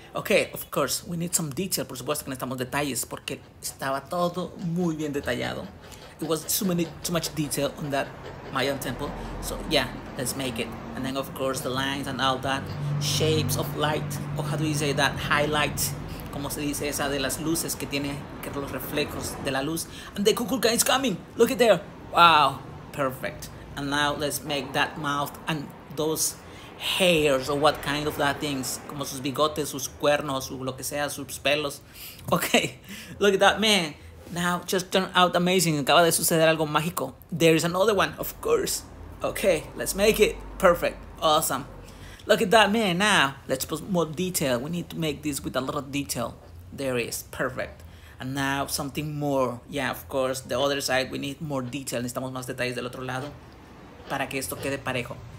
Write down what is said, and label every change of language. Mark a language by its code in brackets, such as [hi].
[en] Okay, of course, we need some detail. [es] Por supuesto que necesitamos detalles porque estaba todo muy bien detallado. [en] it was too much detail on that Mayan temple. So yeah, let's make it. And then of course the lines and all that, shapes of light, or how do you say that, highlight, [es] como se dice esa de las luces que tiene, que los reflejos de la luz. [en] And the cuckoo guy is coming, look at there, wow, perfect. And now let's make that mouth and those hairs, or what kind of that things, [es] como sus bigotes, sus cuernos, lo que sea, sus pelos. [en] Okay, look at that, man. Now, just turned out amazing. [es] Acaba de suceder algo mágico. [en] There is another one, of course. Okay, let's make it. Perfect. Awesome. Look at that, man. Now, let's put more detail. We need to make this with a lot of detail. There is. Perfect. And now, something more. Yeah, of course, the other side, we need more detail. [es] Necesitamos más detalles del otro lado para que esto quede parejo.